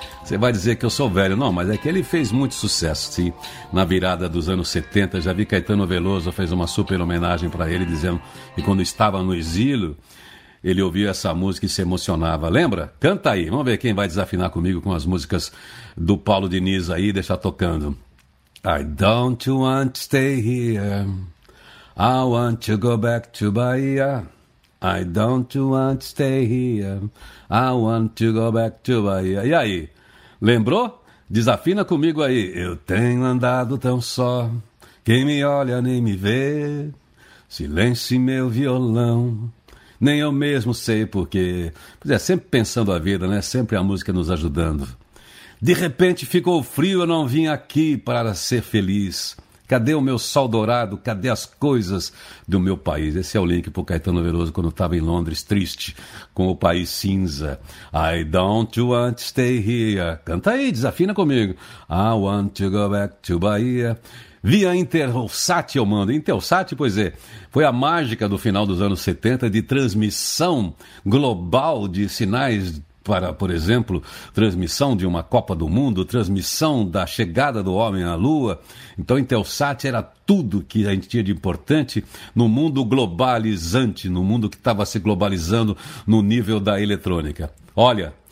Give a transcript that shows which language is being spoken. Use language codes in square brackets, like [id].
[pt] Você vai dizer que eu sou velho, não, mas é que ele fez muito sucesso, sim, na virada dos anos 70. Já vi Caetano Veloso fez uma super homenagem para ele, dizendo que quando estava no exílio, ele ouvia essa música e se emocionava. Lembra? Canta aí, vamos ver quem vai desafinar comigo com as músicas do Paulo Diniz aí, deixa tocando. [en] I don't want to stay here, I want to go back to Bahia. I don't want to stay here, I want to go back to Bahia. [pt] E aí, lembrou? Desafina comigo aí. Eu tenho andado tão só, quem me olha nem me vê. Silêncio em meu violão, nem eu mesmo sei porquê. Pois é, sempre pensando a vida, né? Sempre a música nos ajudando. De repente ficou frio, eu não vim aqui para ser feliz. Cadê o meu sol dourado? Cadê as coisas do meu país? Esse é o link para o Caetano Veloso quando estava em Londres, triste, com o país cinza. [en] I don't want to stay here. [pt] Canta aí, desafina comigo. [en] I want to go back to Bahia. [pt] Via Intelsat, eu mando. Intelsat, pois é, foi a mágica do final dos anos 70 de transmissão global de sinais para, por exemplo, transmissão de uma Copa do Mundo, transmissão da chegada do homem à Lua. Então, Intelsat era tudo que a gente tinha de importante no mundo globalizante, no mundo que estava se globalizando no nível da eletrônica. Olha,